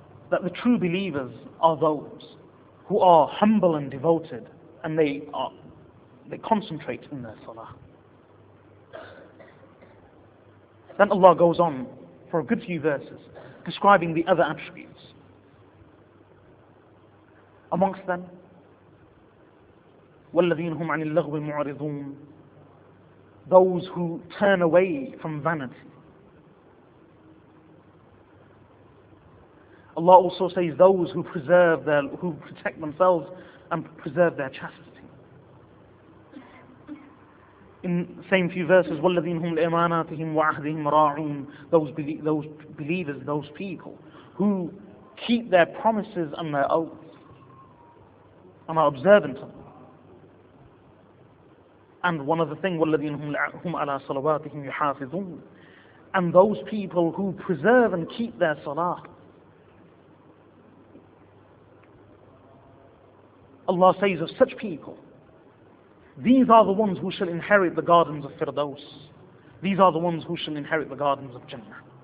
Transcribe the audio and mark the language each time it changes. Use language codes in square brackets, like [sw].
[en] That the true believers are those who are humble and devoted, and they concentrate in their salah. Then Allah goes on for a good few verses describing the other attributes. Amongst them, [ar] وَالَّذِينَ هُمْ عَنِ اللَّغْوِ مُعْرِضُونَ. [en] Those who turn away from vanity. Allah also says those who preserve their, who protect themselves and preserve their chastity. In the same few verses, [ar] وَالَّذِينَ هُمْ لِأَمَانَاتِهِمْ وَعَهْدِهِمْ رَاعُونَ. [en] Those believers, those people who keep their promises and their oaths and are observant of them. And one other thing, [ar] وَالَّذِينَ هُمْ عَلَىٰ صَلَوَاتِهِمْ يُحَافِظُونَ. [en] and those people who preserve and keep their salah. Allah says of such people, these are the ones who shall inherit the gardens of Firdaus. These are the ones who shall inherit the gardens of Jannah.